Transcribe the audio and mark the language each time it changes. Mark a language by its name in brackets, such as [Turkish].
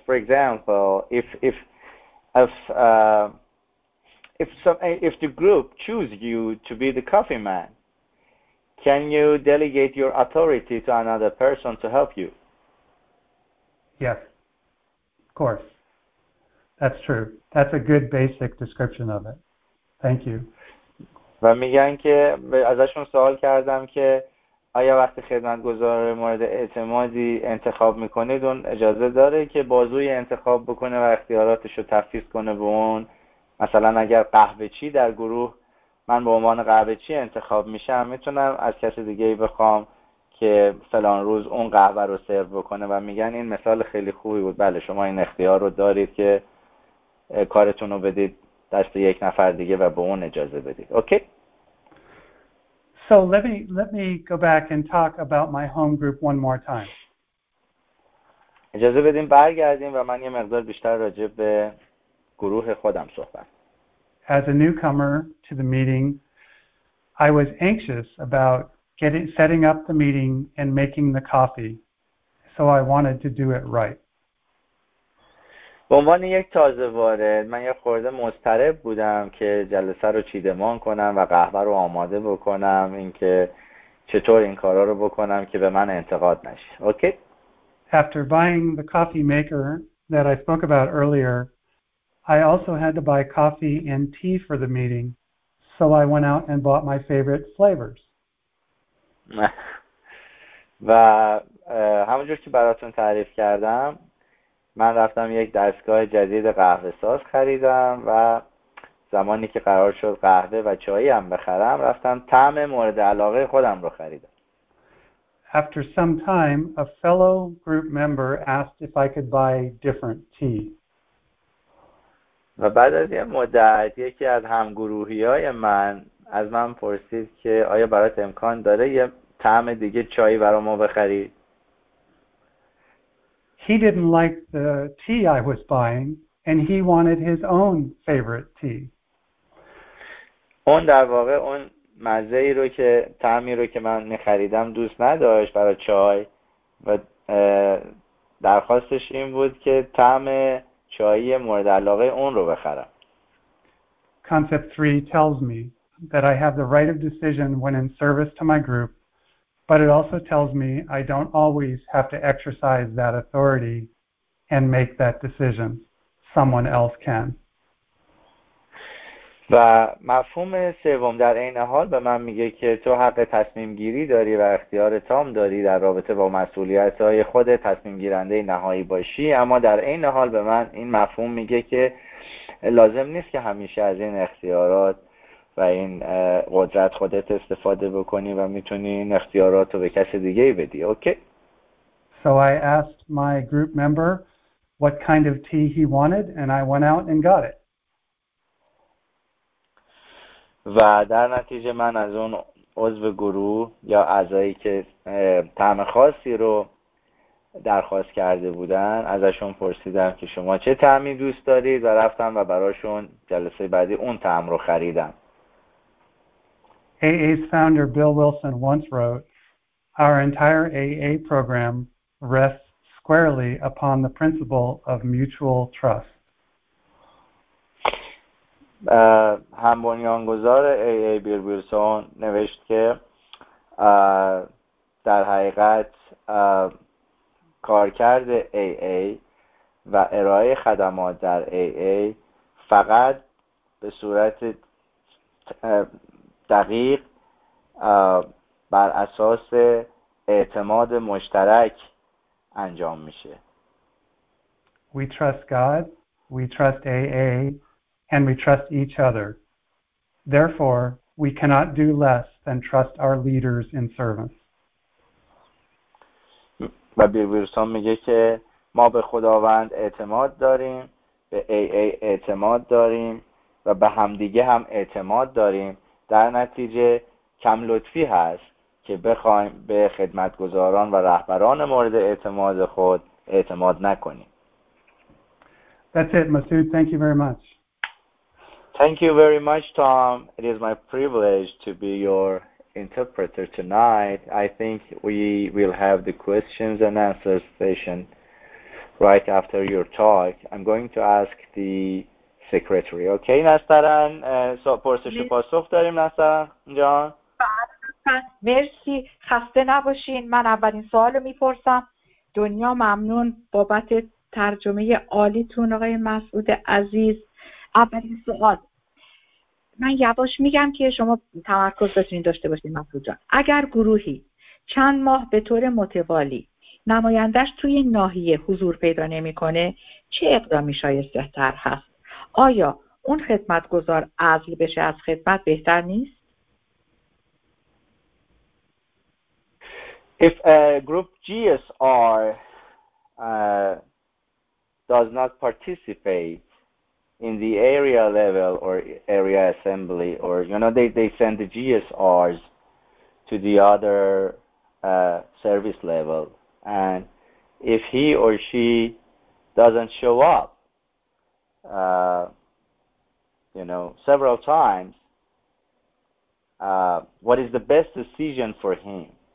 [English] For example, if the group choose you to be the coffee man, can you delegate your authority to another person to help you? Yes, of course. That's true. That's a good basic description of it. Thank you. [Persian] و میگن که ازشون سوال کردم که آیا وقتی خدمتگزار مورد اعتمادی انتخاب میکنید اون اجازه داره که بازوی انتخاب بکنه و اختیاراتش رو تفویض کنه به اون، مثلا اگر قهوه‌چی در گروه من به عنوان قهوه‌چی انتخاب میشم، میتونم از کسی دیگه ای بخوام که فلان روز اون قهوه رو سرو بکنه؟ و میگن این مثال خیلی خوبی بود، بله شما این اختیار رو دارید که کارتون رو بدید دست یک نفر دیگه و به اون اجازه بدید. اوکی؟ [English] So let me go back and talk about my home group one more time. [Persian] اجازه بدیم برگردیم و من یه مقدار بیشتر راجع به گروه خودم صحبت. [English] As a newcomer to the meeting, I was anxious about setting up the meeting and making the coffee, so I wanted to do it right. [Persian] به عنوان یک تازه وارد من یه خورده مضطرب بودم که جلسه رو چیدمان کنم و قهوه رو آماده بکنم، اینکه چطور این کارا رو بکنم که به من انتقاد نشه. اوکی؟ [English] After buying the coffee maker that I spoke about earlier, I also had to buy coffee and tea for the meeting, so I went out and bought my favorite flavors. [Persian] و همونجور که براتون تعریف کردم، من رفتم یک دستگاه جدید قهوه ساز خریدم و زمانی که قرار شد قهوه و چایی هم بخرم، رفتم طعم مورد علاقه خودم رو خریدم. [English] After some time, a fellow group member asked if I could buy different tea. [Persian] و بعد از یه مدت یکی از همگروهی‌های من از من پرسید که آیا برات امکان داره یه طعم دیگه چایی برام بخری؟ [English] He didn't like the tea I was buying and he wanted his own favorite tea. [Persian] اون در واقع اون مزه‌ای رو که طعمی رو که من می‌خریدم دوست نداشت برای چای و درخواستش این بود که طعم چایی مورد علاقه اون رو بخرم. [English] Concept 3 tells me that I have the right of decision when in service to my group, but it also tells me I don't always have to exercise that authority and make that decision. Someone else can. [Persian] و مفهوم سوم در این حال به من میگه که تو حق تصمیم گیری داری و اختیار تام داری در رابطه با مسئولیت های خود تصمیم گیرنده نهایی باشی، اما در این حال به من این مفهوم میگه که لازم نیست که همیشه از این اختیارات و این قدرت خودت استفاده بکنی و میتونی این اختیارات رو به کس دیگه ای بدی. اوکی؟ [English] So I asked my group member what kind of tea he wanted and I went out and got it. [Persian] و در نتیجه من از اون عضو گروه یا اعضایی که طعم خاصی رو درخواست کرده بودن ازشون پرسیدم که شما چه طعمی دوست دارید و رفتم و براشون جلسه بعدی اون طعم رو خریدم. [English] AA's founder Bill Wilson once wrote, "Our entire AA program rests squarely upon the principle of mutual trust." [Persian] هم بنیانگذار AA بیل ویلسون نوشت که در حقیقت کارکرد AA و ارائه خدمات در AA فقط به صورت دقیق بر اساس اعتماد مشترک انجام میشه. [English] We trust God, we trust AA, and we trust each other. Therefore, we cannot do less than trust our leaders in service. [Persian] و بیل ویلسون میگه که ما به خداوند اعتماد داریم، به AA اعتماد داریم و به همدیگه هم اعتماد داریم. در نتیجه کم لطفی هست که بخوایم به خدمتگزاران و رهبران مورد اعتماد خود اعتماد نکنیم. [English] That's it, Masood. Thank you very much. Thank you very much, Tom. It is my privilege to be your interpreter tonight. I think we will have the questions and answers session right after your talk. I'm going to ask the secretary. Okay, Nastaran. [Persian] So, پرسش و پاسخ داریم Nastaran جان. مرسی، خسته نباشین. من اولین سوال رو میپرسم. دنیا ممنون بابت ترجمه عالیتون آقای مسعود عزیز. اولین سوال، من یواش میگم که شما تمرکز بتونید داشته باشید. مفروض جان، اگر گروهی چند ماه به طور متوالی نمایندش توی ناحیه حضور پیدا نمی کنه، چه اقدامی شایسته تر هست؟ آیا اون خدمتگزار عزل بشه از خدمت بهتر نیست؟ [English] If a group GSR does not participate in the area level or area assembly, or you know, they send the GSRs to the other service level, and if he or she doesn't show up, you know, several times, what is the best decision for him?